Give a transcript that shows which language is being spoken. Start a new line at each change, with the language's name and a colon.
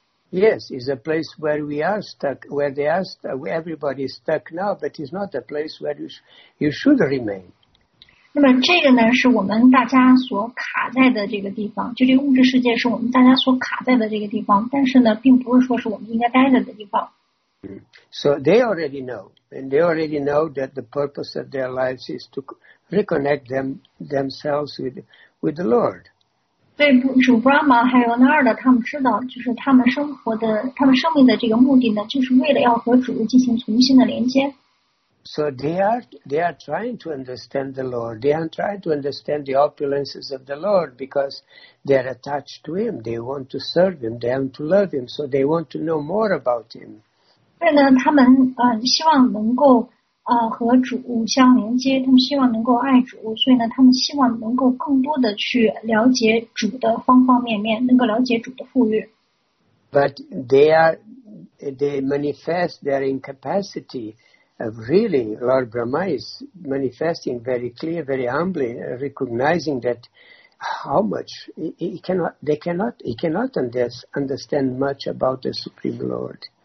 English: Yes, it's a place where we are stuck, where they are stuck, where everybody is stuck now. But it's not a place where you should remain.
Chinese: 那么这个呢，是我们大家所卡在的这个地方，就这个物质世界是我们大家所卡在的这个地方，但是呢，并不是说是我们应该待着的地方。
English: So they already know, and they already know that the purpose of their lives is to reconnect themselves with the Lord.
Chinese: 对，主 Brahma 还有 Narada 他们知道，就是他们生活的、他们生命的这个目的呢，就是为了要和主进行重新的连接。
English: So they are trying to understand the Lord. They are trying to understand the opulences of the Lord because they are attached to Him. They want to serve Him. They want to love Him. So they want to know more about Him.
Chinese: 他们希望能够和主相连接，他们希望能够爱主，所以呢，他们希望能够更多的去了解主的方方面面，能够了解主的富裕。
English: But they manifest their incapacity of really, Lord Brahma is manifesting very clear, very humbly, recognizing that how much he cannot understand much about the Supreme Lord.